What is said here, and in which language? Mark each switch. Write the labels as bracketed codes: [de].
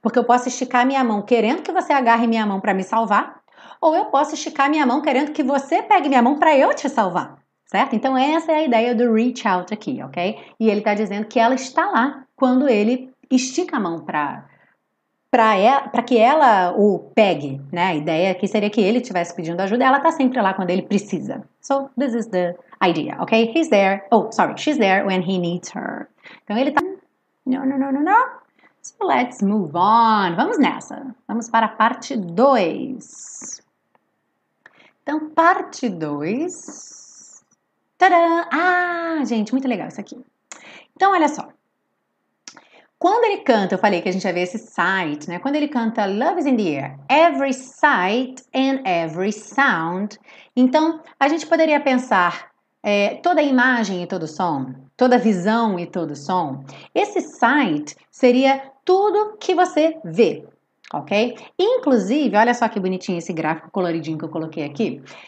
[pt] Porque eu posso esticar minha mão querendo que você agarre minha mão para me salvar, ou eu posso esticar minha mão querendo que você pegue minha mão para eu te salvar, certo? Então essa é a ideia do reach out aqui, ok? E ele está dizendo que ela está lá quando ele estica a mão para que ela o pegue, né? A ideia aqui seria que ele estivesse pedindo ajuda, ela está sempre lá quando ele precisa. [en] So, this is the idea, ok? He's there, oh, sorry, she's there when he needs her. [pt] Então, ele tá [en] No, no, no, no, no. So let's move on. [pt] Vamos nessa. Vamos para a parte 2. Então, parte 2. Tadã! Ah, gente, muito legal isso aqui. Então, olha só. Quando ele canta, eu falei que a gente ia ver esse sight, né? Quando ele canta [en] Love is in the air, every sight and every sound. [pt] Então, a gente poderia pensar toda imagem e todo som, toda visão e todo som. Esse sight seria tudo que você vê, ok? Inclusive, olha só que bonitinho esse gráfico coloridinho que eu coloquei aqui.